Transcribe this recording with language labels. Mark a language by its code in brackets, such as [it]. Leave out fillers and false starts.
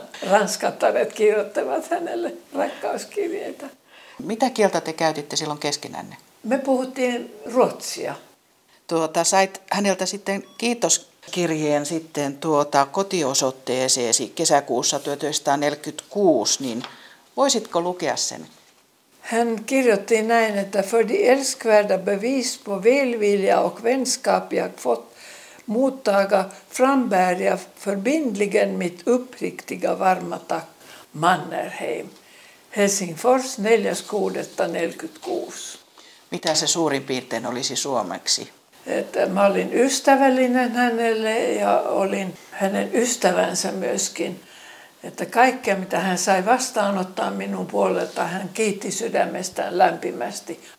[fi] Ranskattaret kirjoittavat hänelle rakkauskirjeitä. Mitä kieltä te käytitte silloin keskenänne? Me puhuttiin ruotsia. Sait häneltä sitten kiitoskirjeen sitten kotiosoitteeseesi kesäkuussa 1946, niin voisitko lukea sen? Hän kirjoitti näin, että [sv] för de älskvärda bevis på välvilja och vänskap jag fått mottaga frambär jag förbindligen mitt uppriktiga varma tack Mannerheim. Helsingfors 4.6.46. [fi] Mitä se suurin piirtein olisi suomeksi? Että mä olin ystävällinen hänelle ja olin hänen ystävänsä myöskin. Että kaikkea, mitä hän sai vastaanottaa minun puolelta, hän kiitti sydämestään lämpimästi.